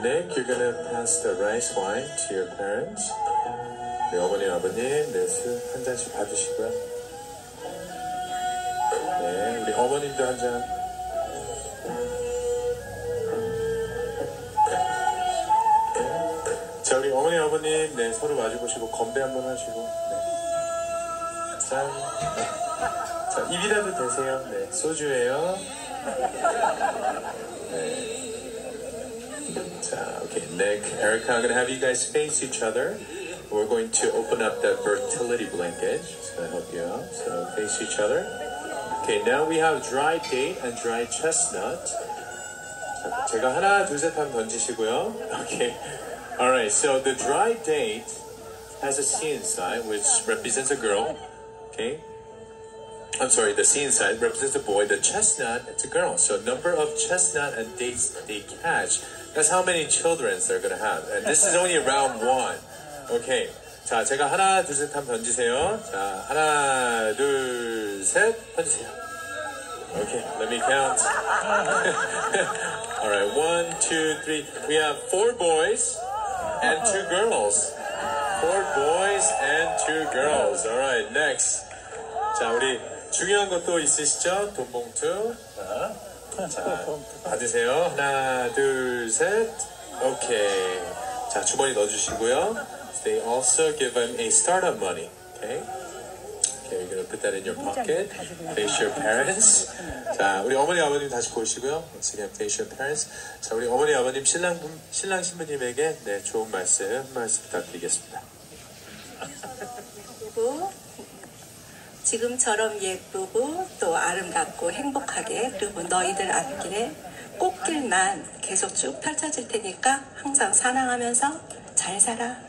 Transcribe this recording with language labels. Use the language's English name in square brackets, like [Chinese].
[English] Nick, you're gonna pass the rice wine to your parents. [Korean] 네, 어머니, 아버님, 네, 술 한 잔씩 봐주시고요. 네, 우리 어머님도 한 잔. 자, 우리 어머니, 아버님, 네, 서로 마주 보시고 건배 한번 하시고. 네. 자. 자, 입이라도 대세요. 네, 소주예요. 네. [English] 자, okay, Nick, Erica, I'm gonna have you guys face each other. We're going to open up the fertility blanket. It's gonna help you out. So face each other. Okay, now we have dry date and dry chestnut. [Korean] 자, 제가 하나, 둘, 셋 한번 던지시고요. [English] Okay. All right. So the dry date has a C inside, which represents a girl. Okay. I'm sorry, the C inside represents a boy, the chestnut, it's a girl. So number of chestnut and dates they catch, that's how many children they're going to have. And this is only round one. Okay, [Korean] 자, 제가 하나, 둘, 셋 한번 던지세요. 자, 하나, 둘, 셋, 던지세요. [English] Okay, let me count. All right, one, two, three. We have four boys and two girls. Four boys and two girls. All right, next. [Korean] 자, 우리... 중요한 것도 있으시죠? 돈 봉투. 자, 받으세요. 하나, 둘, 셋. 오케이. 자, 주머니 넣어주시고요. [English] They also give him a startup money. Okay. Okay, you're gonna put that in your pocket. Face your parents. [Korean] 자, 우리 어머니, 아버님 다시 보시고요. [English] Once again, face your parents. [Korean] 자, 우리 어머니, 아버님, 신랑 신부님에게 네, 좋은 말씀, 말씀 부탁드리겠습니다. 지금처럼 예쁘고 또 아름답고 행복하게 그리고 너희들 앞길에 꽃길만 계속 쭉 펼쳐질 테니까 항상 사랑하면서 잘 살아.